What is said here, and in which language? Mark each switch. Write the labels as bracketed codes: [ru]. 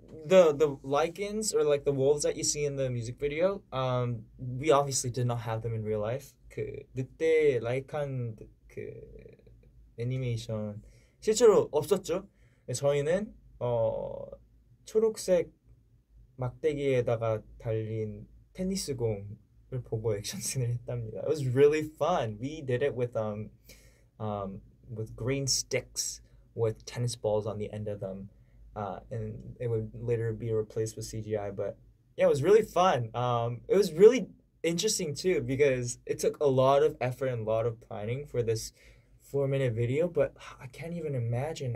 [en] the lichens or like the wolves that you see in the music video, we obviously did not have them in real life. [ko] 그 늑대 라이칸 그 애니메이션 실제로 없었죠. 저희는 초록색 막대기에다가 달린 테니스 공을 보고 액션 씬을 했답니다. [en] It was really fun. We did it with with green sticks with tennis balls on the end of them. And it would later be replaced with CGI, but yeah, it was really fun. It was really interesting too because it took a lot of effort and a lot of planning for this 4-minute video, but I can't even imagine.